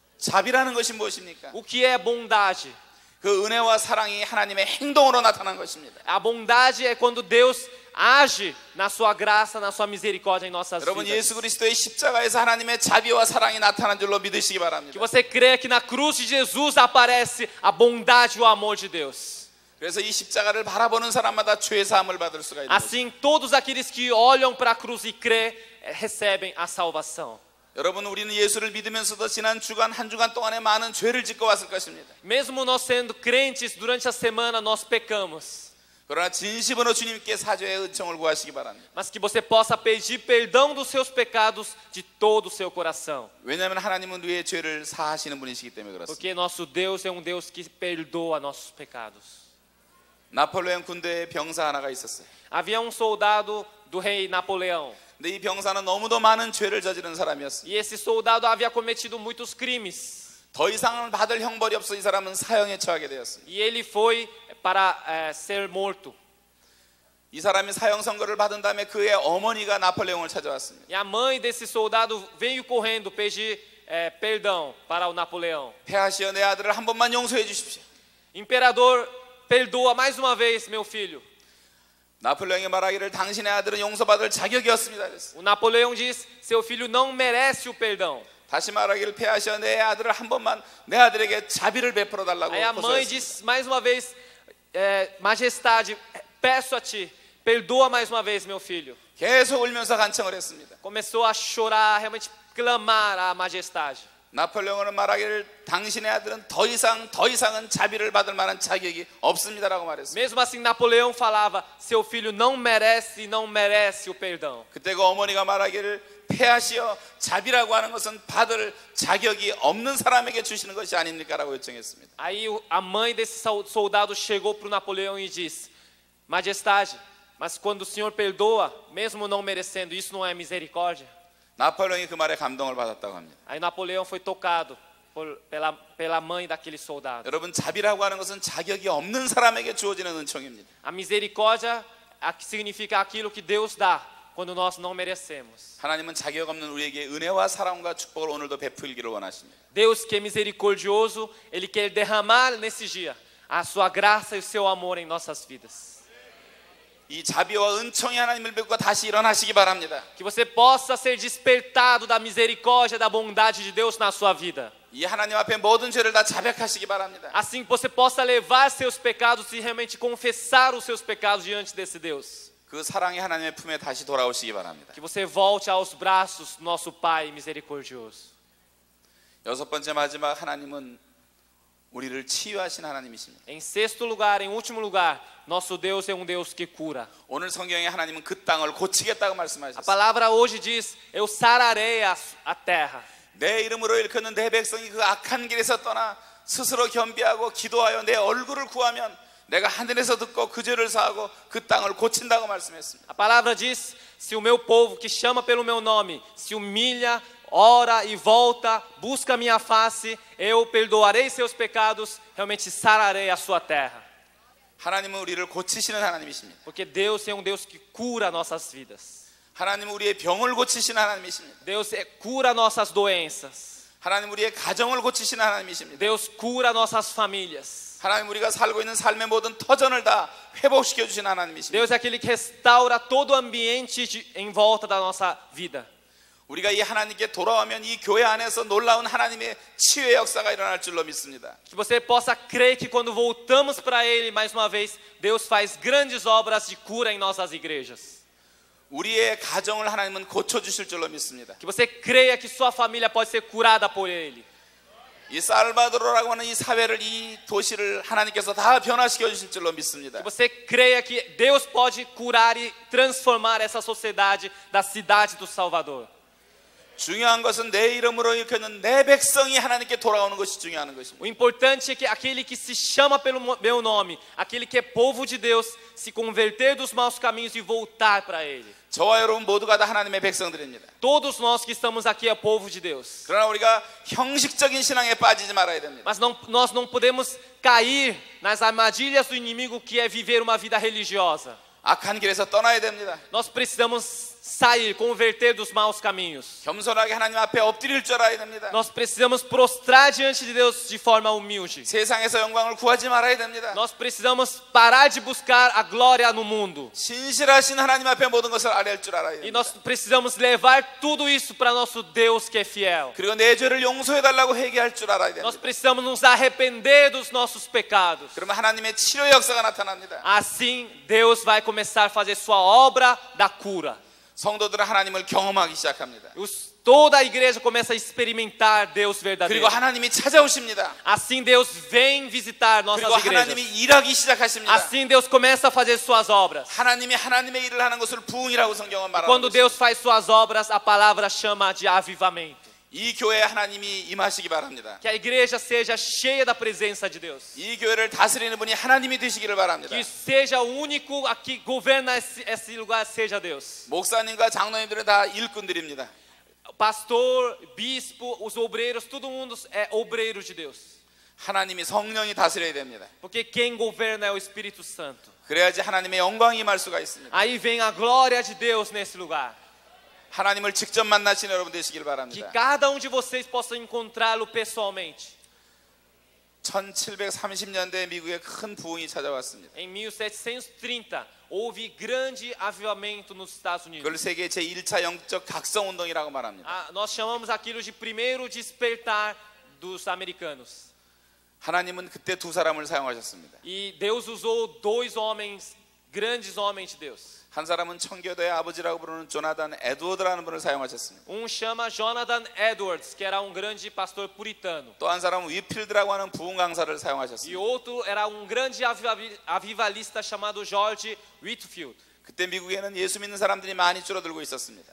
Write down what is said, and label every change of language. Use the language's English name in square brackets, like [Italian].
[Korean] 자비라는 것이 무엇입니까? [Portuguese] O que é bondade? [Korean] 그 은혜와 사랑이 하나님의 행동으로 나타난 것입니다. [Portuguese] A bondade é quando Deus age na sua graça, na sua misericórdia em nossas vidas. [Korean] 여러분 예수 그리스도의 십자가에서 하나님의 자비와 사랑이 나타난 줄로 믿으시기 바랍니다. [Portuguese] Que você crê que na cruz de Jesus aparece a bondade e o amor de Deus. [Korean] 그래서 이 십자가를 바라보는 사람마다 죄 사함을 받을 수가 있습니다. [Portuguese] Assim todos aqueles que olham para a cruz e crê recebem a salvação. [Korean] 여러분 우리는 예수를 믿으면서도 지난 주간 한 주간 동안에 많은 죄를 짓고 왔을 것입니다. [Portuguese] Mesmo nós sendo crentes durante a semana nós pecamos. [Korean] 그러나 진심으로 주님께 사죄의 은총을 구하시기 바랍니다. [Portuguese] Mas que você possa pedir perdão dos seus pecados de todo o seu coração. [Korean] 왜냐하면 하나님은 우리의 죄를 사하시는 분이시기 때문에 그렇습니다. [Portuguese] Porque nosso Deus é um Deus que perdoa nossos pecados. [Korean] 나폴레옹 군대에 병사 하나가 있었어요. [Portuguese] Havia um soldado do rei Napoleão. [Korean] 근데 이 병사는 너무도 많은 죄를 저지른 사람이었어요. [Portuguese] E esse soldado havia cometido muitos crimes. [Korean] 더 이상 받을 형벌이 없어 이 사람은 사형에 처하게 되었어요. [Portuguese] E ele foi para ser morto. [Korean] 이 사람이 사형 선고를 받은 다음에 그의 어머니가 나폴레옹을 찾아왔습니다. [Portuguese] E a mãe desse soldado veio correndo pedir perdão para o Napoleão. [Korean] 폐하시오, 내 아들을 한 번만 용서해 주십시오. [Portuguese] Imperador, perdoa mais uma vez meu filho. [Korean] 나폴레옹이 말하기를 당신의 아들은 용서받을 자격이 없습니다. [Portuguese] O Napoleão diz, seu filho não merece o perdão. [Korean] 다시 말하기를 폐하시오 내 아들을 한 번만 내 아들에게 자비를 베풀어 달라고 호소했습니다. [Portuguese] A mãe diz mais uma vez, majestade, peço a ti, perdoa mais uma vez meu filho. [Korean] 계속 울면서 간청을 했습니다. [Portuguese] Começou a chorar, realmente clamar à majestade. [Korean] 나폴레옹은 말하기를 당신의 아들은 더 이상 더 이상은 자비를 받을 만한 자격이 없습니다라고 말했어요. [Portuguese] Mesmo assim Napoleão falava seu filho não merece e não merece o perdão. [Korean] 그때 그 어머니가 말하기를 폐하시어 자비라고 하는 것은 받을 자격이 없는 사람에게 주시는 것이 아닙니까라고 요청했습니다. [Portuguese] Aí a mãe desse soldado chegou pro Napoleão e disse: Majestade, mas quando o senhor perdoa mesmo não merecendo, isso não é misericórdia? [Korean] 나폴레옹이 그 말에 감동을 받았다고 합니다. [Portuguese] Aí Napoleão foi tocado pela mãe daquele soldado. [Korean] 여러분, 자비라고 하는 것은 자격이 없는 사람에게 주어지는 은총입니다. [Portuguese] A misericórdia significa aquilo que Deus dá quando nós não merecemos. [Korean] 하나님은 자격 없는 우리에게 은혜와 사랑과 축복을 오늘도 베풀기를 원하십니다. [Portuguese] Deus que é misericordioso, ele quer derramar nesse dia a sua graça e o seu amor em nossas vidas. [Korean] 이 자비와 은총이 하나님을 믿고 다시 일어나시기 바랍니다. [Portuguese] Que você possa ser despertado da misericórdia, da bondade de Deus na sua vida. [Korean] 이 하나님 앞에 모든 죄를 다 자백하시기 바랍니다. [Portuguese] Assim que você possa levar seus pecados e realmente confessar os seus pecados diante desse Deus. [Korean] 그 사랑의 하나님의 품에 다시 돌아오시기 바랍니다. [Portuguese] Que você volte aos braços nosso Pai misericordioso. [Korean] 여섯 번째 마지막 하나님은 우리를 치유하신 하나님이십니다. [Portuguese] Em sexto lugar, em último lugar, nosso Deus é um Deus que cura. [Korean] 오늘 성경에 하나님은 그 땅을 고치겠다고 말씀하셨어요. [Portuguese] A palavra hoje diz: Eu sararei a terra. [Korean] 내 이름으로 일컫는 내 백성이 그 악한 길에서 떠나 스스로 겸비하고 기도하여 내 얼굴을 구하면 내가 하늘에서 듣고 그 죄를 사하고 그 땅을 고친다고 말씀했습니다. [Portuguese] A palavra diz: Se o meu povo que chama pelo meu nome se humilha, ora e volta, busca minha face, eu perdoarei seus pecados, realmente sararei a sua terra. [Korean] 하나님은 우리를 고치시는 하나님이십니다. [Portuguese] Porque Deus é um Deus que cura nossas vidas. [Korean] 하나님은 우리의 병을 고치시는 하나님이십니다. [Portuguese] Deus cura nossas doenças. [Korean] 하나님은 우리의 가정을 고치시는 하나님이십니다. [Portuguese] Deus cura nossas famílias. [Korean] 하나님은 우리가 살고 있는 삶의 모든 터전을 다 회복시켜 주시는 하나님이십니다. [Portuguese] Deus é aquele que restaura todo o ambiente em volta da nossa vida. [Korean] 우리가 이 하나님께 돌아오면 이 교회 안에서 놀라운 하나님의 치유의 역사가 일어날 줄로 믿습니다. [Portuguese] Que você possa crer que quando voltamos para ele mais uma vez, Deus faz grandes obras de cura em nossas igrejas. [Korean] 우리의 가정을 하나님은 고쳐 주실 줄로 믿습니다. [Portuguese] Que você creia que sua família pode ser curada por ele. [Korean] 이 살바도르라고 하는 이 사회를 이 도시를 하나님께서 다 변화시켜 주실 줄로 믿습니다. [Portuguese] Que você creia que Deus pode curar e transformar essa sociedade da cidade do Salvador. [Korean] 중요한 것은 내 이름으로 일컫는 내 백성이 하나님께 돌아오는 것이 중요한 것입니다. [Portuguese] O importante é que aquele que se chama pelo meu nome, aquele que é povo de Deus, se converter dos maus caminhos e voltar para ele. [Korean] 저와 여러분 모두가 다 하나님의 백성들입니다. [Portuguese] Todos nós que estamos aqui é povo de Deus. [Korean] 그러나 우리가 형식적인 신앙에 빠지지 말아야 됩니다. [Portuguese] Mas nós não podemos cair nas armadilhas do inimigo que é viver uma vida religiosa. [Korean] 악한 길에서 떠나야 됩니다. [Portuguese] Nós precisamos sair, converter dos maus caminhos. [Korean] 겸손하게 하나님 앞에 엎드릴 줄 알아야 됩니다. [Portuguese] Nós precisamos prostrar diante de Deus de forma humilde. [Korean] 세상에서 영광을 구하지 말아야 됩니다. [Portuguese] Nós precisamos parar de buscar a glória no mundo. [Korean] 신실하신 하나님 앞에 모든 것을 아뢰할 줄 알아야 됩니다. [Portuguese] E nós precisamos levar tudo isso para nosso Deus que é fiel. [Korean] 그리고 내 죄를 용서해 달라고 회개할 줄 알아야 됩니다. [Portuguese] Nós precisamos nos arrepender dos nossos pecados. [Korean] 그러면 하나님의 치료 역사가 나타납니다. [Portuguese] Assim Deus vai começar a fazer sua obra da cura. [Korean] 성도들은 하나님을 경험하기 시작합니다. [Portuguese] Toda a igreja começa a experimentar Deus verdadeiro. [Korean] 그리고 하나님이 찾아오십니다. [Portuguese] Assim Deus vem visitar nossas igrejas. [Korean] 그리고 하나님이 일하기 시작하십니다. [Portuguese] Assim Deus começa a fazer suas obras. [Korean] 하나님이 하나님의 일을 하는 것을 부흥이라고 성경은 말합니다. [Portuguese] Quando Deus faz suas obras, a palavra chama de avivamento. [Korean] 이 교회에 하나님이 임하시기 바랍니다. [Portuguese] Que a igreja seja cheia da presença de Deus. [Korean] 이 교회를 다스리는 분이 하나님이 되시기를 바랍니다. [Portuguese] Que seja o único a que governa esse lugar seja Deus. [Korean] 목사님과 장로님들은 다 일꾼들입니다. [Portuguese] Pastor, bispo, os obreiros, todo mundo é obreiro de Deus. [Korean] 하나님이 성령이 다스려야 됩니다. [Portuguese] Porque quem governa é o Espírito Santo. [Korean] 그래야지 하나님의 영광이 임할 수가 있습니다. [Portuguese] Aí vem a glória de Deus nesse lugar. [Korean] 하나님을 직접 만나시는 여러분 되시길 바랍니다. [Portuguese] Que cada de vocês possa encontrá-lo pessoalmente. [Korean] 1730년대 미국에 큰 부흥이 찾아왔습니다. [Portuguese] Em 1730 houve grande avivamento nos Estados Unidos. [Korean] 그걸 세계 제1차 영적 각성 운동이라고 말합니다. [Portuguese] Nós chamamos aquilo de primeiro despertar dos americanos. [Korean] 하나님은 그때 두 사람을 사용하셨습니다. [Portuguese] E Deus usou dois homens grandes homens de Deus. [Korean] 한 사람은 청교도의 아버지라고 부르는 조나단 에드워드라는 분을 사용하셨습니다. [Portuguese] Um chama Jonathan Edwards, que era um grande pastor puritano. [Korean] 또 한 사람은 위필드라고 하는 부흥 강사를 사용하셨습니다. [Portuguese] E outro era um grande avivalista chamado George Whitefield. [Korean] 그때 미국에는 예수 믿는 사람들이 많이 줄어들고 있었습니다.